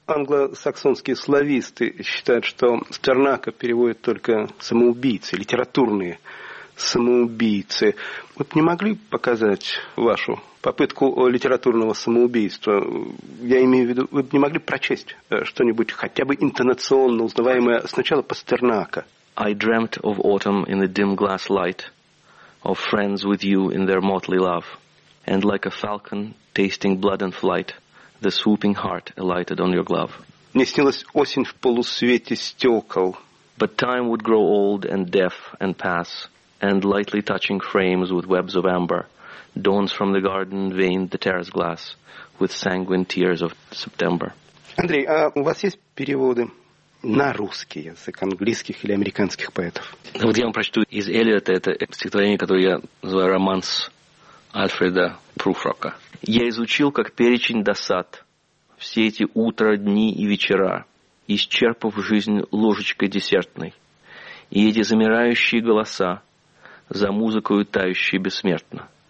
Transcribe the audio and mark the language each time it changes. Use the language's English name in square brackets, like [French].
[Russian] Англосаксонские слависты считают, что Пастернака переводят только самоубийцы, литературные самоубийцы. Вот не могли показать вашу попытку литературного самоубийства? Я имею в виду, вы не могли прочесть что-нибудь хотя бы интонационно узнаваемое сначала Пастернака? [English] I dreamt of autumn in the dim glass light, of friends with you in their motley love, and like a falcon tasting blood and flight, the swooping heart alighted on your glove. [Russian] Мне снилась осень в полусвете стекол. [English] But time would grow old and deaf and pass, and lightly touching frames with webs of amber, dawns from the garden veined the terrace glass with sanguine tears of September. [Russian] Андрей, а у вас есть переводы на русский язык английских или американских поэтов? Вот я вам прочту из Эллиота это стихотворение, которое я называю «Романс Альфреда Пруфрока». «Я изучил, как перечень досад, все эти утра, дни и вечера, исчерпав жизнь ложечкой десертной, и эти замирающие голоса за музыкою тающие бессмертно.